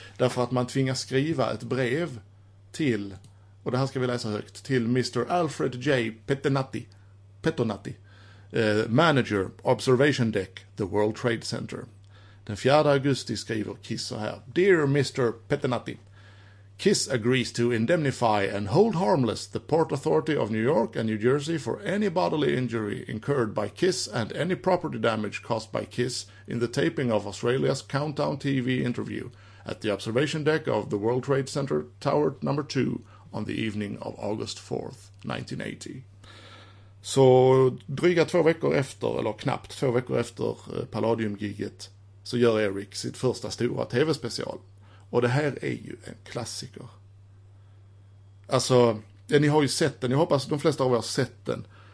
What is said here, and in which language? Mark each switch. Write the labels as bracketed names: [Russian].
[Swedish] Därför att man tvingas skriva ett brev till, och det här ska vi läsa högt, till Mr. Alfred J. [English] Pettonatti, manager, observation deck, the World Trade Center. [Swedish] Den 4 augusti skriver Kiss så här: [English] Dear Mr. Pettonatti, Kiss agrees to indemnify and hold harmless the Port Authority of New York and New Jersey for any bodily injury incurred by Kiss and any property damage caused by Kiss in the taping of Australia's Countdown TV interview at the observation deck of the World Trade Center Tower No. [Swedish] 2 [English] on the evening of August 4th, 1980. [Swedish] Så dryga två veckor efter, eller knappt två veckor efter Palladium-gigget, så gör Eric sitt första stora tv-special. Och det här är ju en klassiker. Alltså, ja, ni har ju sett den. Jag hoppas att de flesta av er har sett den.